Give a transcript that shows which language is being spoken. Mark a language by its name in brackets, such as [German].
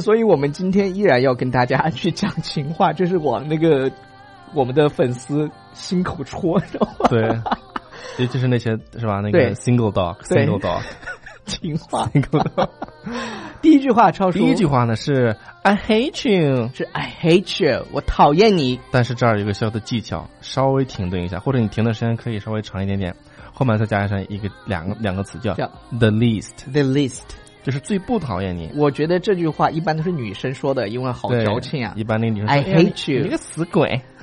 [Chinese] 所以我们今天依然要跟大家去讲情话，这是我们的粉丝心口戳的。对，也就是那些是吧？那个 [English] single dog，single dog， [Chinese] 情话。 [English] single dog。 [Chinese] 第一句话，超叔。第一句话呢是 [English] I hate you， [Chinese] 是 [English] I hate you， [Chinese] 我讨厌你。但是这儿有一个小的技巧，稍微停顿一下，或者你停的时间可以稍微长一点点，后面再加上一个两个词叫 [English] the least。 [Chinese] 就是最不讨厌你。我觉得这句话一般都是女生说的，因为好矫情啊。一般那女生说 [English] I hate you， [Chinese] 你个死鬼。